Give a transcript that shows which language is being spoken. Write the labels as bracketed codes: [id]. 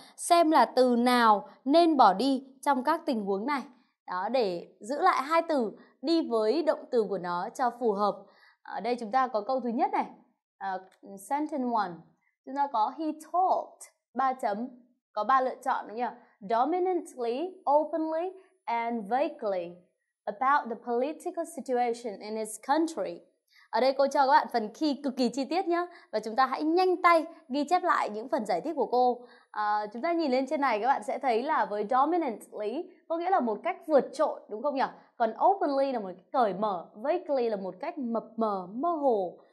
[vi] Xem là từ nào nên bỏ đi trong các tình huống này. Đó, để giữ lại hai từ đi với động từ của nó cho phù hợp. Ở đây chúng ta có câu thứ nhất này, sentence 1, chúng ta có [en] he talked, [vi] 3 chấm, có 3 lựa chọn đúng không nhỉ? [en] Dominantly, openly and vaguely about the political situation in his country. [vi] Ở đây cô cho các bạn phần key cực kỳ chi tiết nhé. Và chúng ta hãy nhanh tay ghi chép lại những phần giải thích của cô. Chúng ta nhìn lên trên này các bạn sẽ thấy là với dominantly có nghĩa là một cách vượt trội đúng không nhỉ? Còn openly là một cách cởi mở, vaguely là một cách mập mờ, mơ hồ.